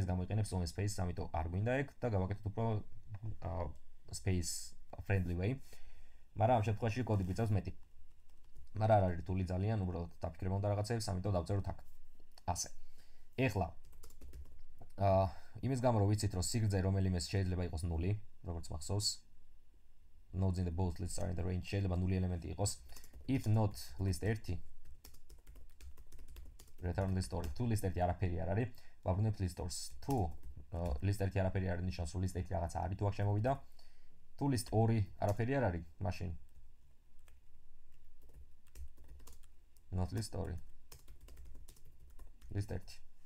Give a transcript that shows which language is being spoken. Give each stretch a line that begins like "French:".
Georgian: მაგრამ ეს გამოიყენებს own space, ამიტომ არ გვინდა ეგ და გავაკეთეთ უფრო
English: space friendly way.
Georgian: მაგრამ ამ შემთხვევაში კოდი გვიწევს მეტი. მაგრამ არ არის რთული ძალიან, უბრალოდ დაფიქრებ უნდა რაღაცეებს, ამიტომ დავწეროთ აქ. ასე. ეხლა იმის გამო რომ ვიცით, რომ სიგრძე რომელიმე შეიძლება იყოს 0, როგორც მახსოვს.
English: Nodes in the both lists are in the range,
Georgian: შეიძლება 0 ელემენტი იყოს.
English: If not list 1 return list 2.
Georgian: To list 1 არაფერი არ არის, ვაბრუნებთ list 2-ს. To list 1 არაფერი არ არის, ნიშნავს რომ list 1 რაღაცა არის თუ აქ შემოვიდა. თუ list 2 არაფერი არ არის, მაშინ not list 2 list 1.